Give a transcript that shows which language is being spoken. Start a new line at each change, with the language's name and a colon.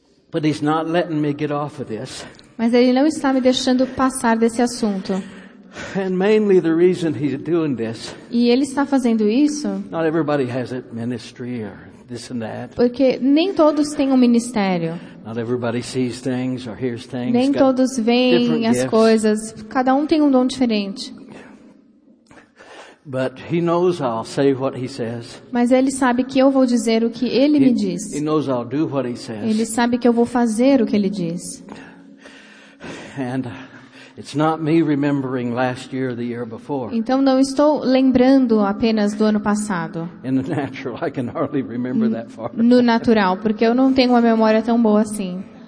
English: But he's not letting me get off of this.
Portuguese: Mas ele não está me deixando passar desse assunto.
English: And mainly the reason he's doing this.
Portuguese: E ele está fazendo isso.
English: Not everybody has a ministry or this and that.
Portuguese: Porque nem todos têm ministério.
English: Not everybody sees things or hears things.
Portuguese: Nem todos veem as coisas. Cada tem dom diferente.
English: But he knows I'll say what he says.
Portuguese: Mas ele sabe que eu vou dizer o que ele me diz.
English: He knows I'll do what he says.
Portuguese: Ele sabe que eu vou fazer o que ele diz.
English: And it's not me remembering last year or the year before.
Portuguese: Então não estou lembrando apenas do ano passado.
English: In the natural, I can hardly remember that far.
Portuguese: No natural, porque eu não tenho uma memória tão boa assim.